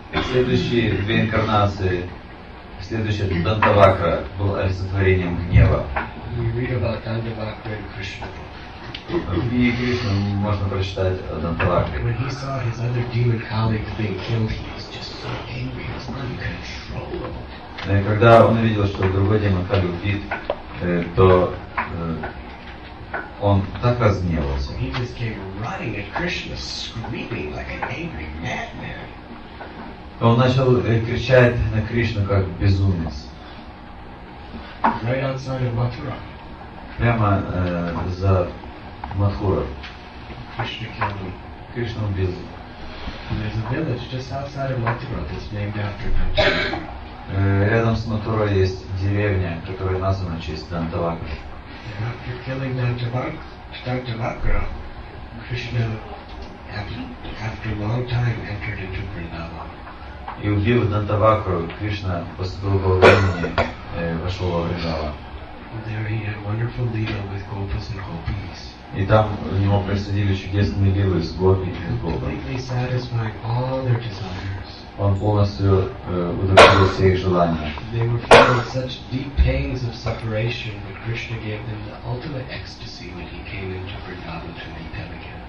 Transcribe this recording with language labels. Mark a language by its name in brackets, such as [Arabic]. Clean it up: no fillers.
[Russian] Следующие две инкарнации. Следующий Дандавакра был олицетворением гнева. [English] We read about Dandavakra in Krishna. [Russian] В книге Кришна можно прочитать о Дандавакре. [English] When he saw his other demon colleagues being killed, he was just so angry, it was uncontrollable. [Russian] И когда он увидел, что другой демон коллег убит, то он так разгневался. [English] He just came running at Krishna, screaming like an angry madman. [Russian] Он начал кричать на Кришну как безумец. [English] Right outside of Mathura. [Russian] Прямо за Мадхурой. [English] Krishna killed him. Krishna built him. And there's a village just outside of Mathura that's named after him. [Russian] Рядом с Матурой есть деревня, которая названа в честь Дантавакры. [English] After killing Dantavakra, Krishna, after long time, entered into Vrindavan. [Russian] И убив Дантавакру, Кришна после долгого времени вошел во Вриндаван. [English] There he had wonderful lila with gopis and gopis. [Russian] И там в него происходили чудесные лилы с гопи и с гопами. [English] Completely satisfied all their desires. [Russian] Он полностью удовлетворил все их желания. [English] They were filled with such deep pains of separation, but Krishna gave them the ultimate ecstasy when he came into Vrindavan to meet them again.